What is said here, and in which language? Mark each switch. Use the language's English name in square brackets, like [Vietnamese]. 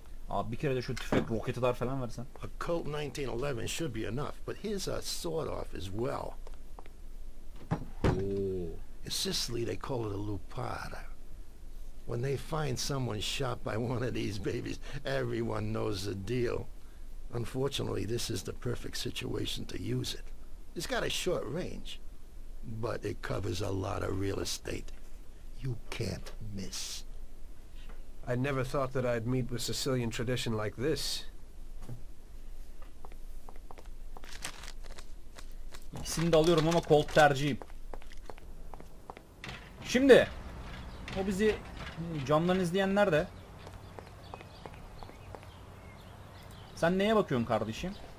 [Turkish] Abi bir kere de şu tüfek roketler falan versen. [English] A Colt 1911 should be enough, but here's a sort of as well. Ooh. In Sicily they call it a lupara. When they find someone shot by one of these babies, everyone knows the deal. Unfortunately, this is the perfect situation to use it. It's got a short range. But it covers a lot of real estate. You can't miss. I never thought that I'd meet with Sicilian tradition like this. [Turkish] İkisini de alıyorum ama Colt tercihim. Şimdi o bizi camdan izleyenler de. Sen neye bakıyorsun kardeşim?